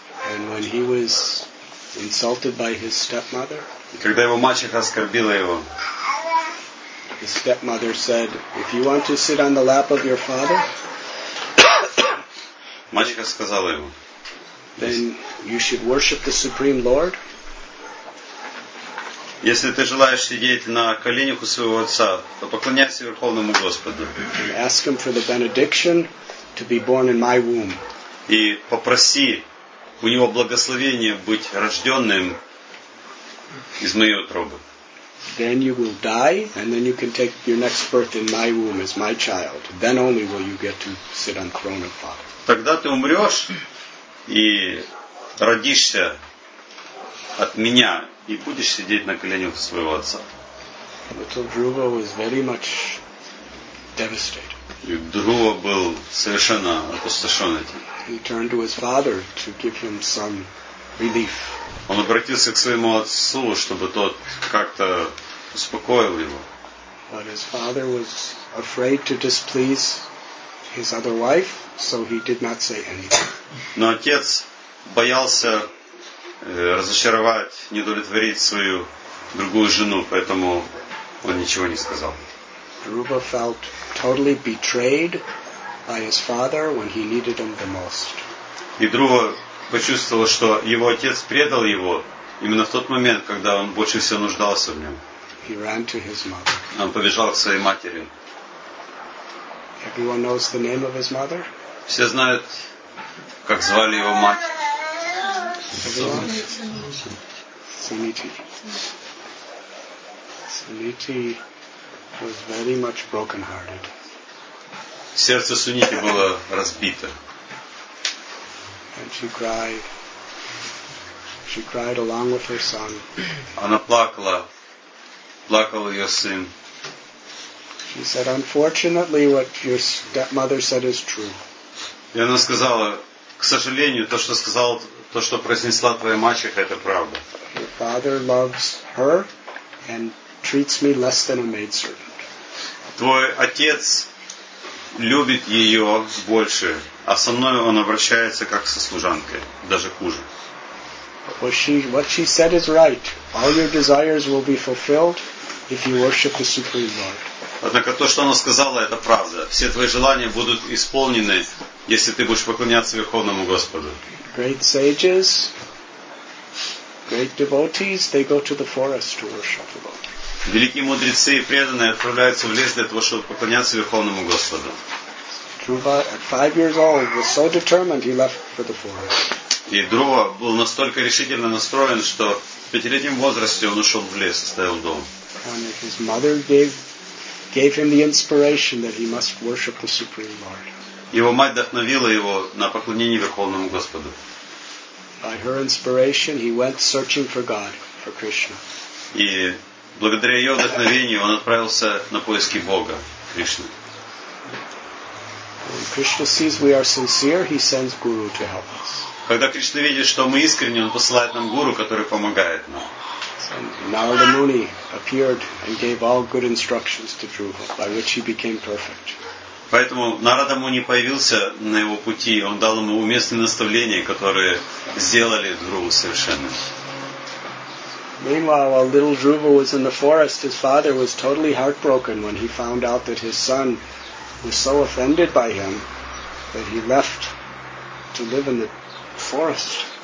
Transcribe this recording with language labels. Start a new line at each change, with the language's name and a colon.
English: And when he was insulted by his stepmother,
Russian: когда его мачеха оскорбила его,
English: his stepmother said, "If you want to sit on the lap of your father,"
Russian: мачеха сказала ему,
English: "then you should worship the Supreme Lord."
Russian: Если ты желаешь сидеть на коленях у своего отца, то поклоняйся Верховному Господу.
English: Ask him for the benediction to be born in my womb.
Russian: И попроси у него благословение быть рожденным из моей утробы.
English: Then you will die, and then you can take your next birth in my womb as my child. Then only will you get to sit on the throne of Father.
Russian: Тогда ты умрешь и родишься от меня и будешь сидеть на коленях своего отца.
English: Little Dhruva was very much devastated.
Russian: И Dhruva был совершенно опустошен этим.
English: He turned to his father to give him some relief.
Russian: Он обратился к своему отцу, чтобы тот как-то успокоил его.
English: But his father was afraid to displease his other wife, so he did not say anything.
Russian: Но отец боялся разочаровать, не удовлетворить свою другую жену, поэтому он ничего не сказал.
English: Dhruva felt totally betrayed by his father when he needed him the most.
Russian: И Dhruva почувствовал, что его отец предал его именно в тот момент, когда он больше всего нуждался в нем.
English: He ran to his mother.
Russian: Он побежал к своей матери.
English: Everyone knows the name of his mother?
Russian: Все знают, как звали его мать.
English: Suniti. Suniti was very much broken-hearted.
Russian: Сердце Суниты было разбито.
English: And she cried along with her son.
Russian: Она плакала. Плакал ее сын.
English: She said, "Unfortunately, what your stepmother said is true."
Russian: И она сказала: "К сожалению, то, что сказал, то, что произнесла твоя мачеха, это правда.
English: Your father loves her and treats me less than a maidservant."
Russian: Твой отец любит ее больше, а со мной он обращается как со служанкой, даже хуже.
English: What she said is right. All your desires will be fulfilled. if you worship the Supreme Lord.
Russian: Однако то, что она сказала, это правда. Все твои желания будут исполнены, если ты будешь поклоняться Верховному Господу.
English: Great sages, great devotees, they go to the forest to worship the Lord.
Russian: Великие мудрецы и преданные отправляются в лес для того, чтобы поклоняться Верховному Господу.
English: Dhruva, at 5 years old, was so determined he left for the forest.
Russian: И Друва был настолько решительно настроен, что в 5-летнем возрасте он ушел в лес, оставил дом.
English: And his mother gave him the inspiration that he must worship the Supreme Lord.
Russian: Его мать вдохновила его на поклонение Верховному Господу.
English: By her inspiration, he went searching for God, for Krishna.
Russian: И благодаря ее вдохновению он отправился на поиски Бога, Кришны.
English: When Krishna sees we are sincere, he sends Guru to help us.
Russian: Когда Кришна видит, что мы искренни, он посылает нам гуру, который помогает нам.
English: Narada Muni appeared and gave all good instructions to Dhruva, by which he became perfect.
Russian: Поэтому Narada Muni появился на его пути, он дал ему уместные наставления, которые сделали Дхруву совершенным.
English: Meanwhile, while little Dhruva was in the forest, his father was totally heartbroken when he found out that his son was so offended by him that he left to live in the forest.